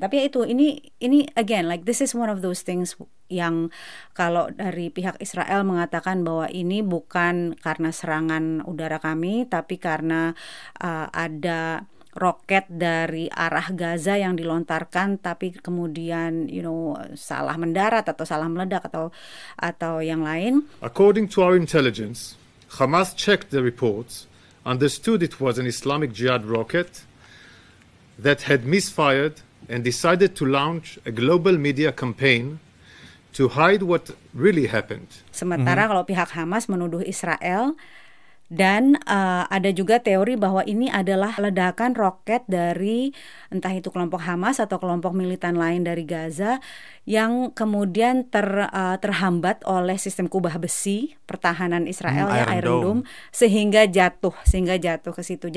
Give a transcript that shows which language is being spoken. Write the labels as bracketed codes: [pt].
[id] Tapi itu, ini [en] again, like this is one of those things [id] yang kalau dari pihak Israel mengatakan bahwa ini bukan karena serangan udara kami, tapi karena ada roket dari arah Gaza yang dilontarkan, tapi kemudian, [en] you know, [id] salah mendarat atau salah meledak atau yang lain. [en] According to our intelligence, Hamas checked the reports, understood it was an Islamic Jihad rocket that had misfired, and decided to launch a global media campaign to hide what really happened. [id] Sementara kalau pihak Hamas menuduh Israel. Dan ada juga teori bahwa ini adalah ledakan roket dari entah itu kelompok Hamas atau kelompok militan lain dari Gaza yang kemudian terhambat oleh sistem kubah besi pertahanan Israel, Iron Dome, sehingga jatuh ke situ.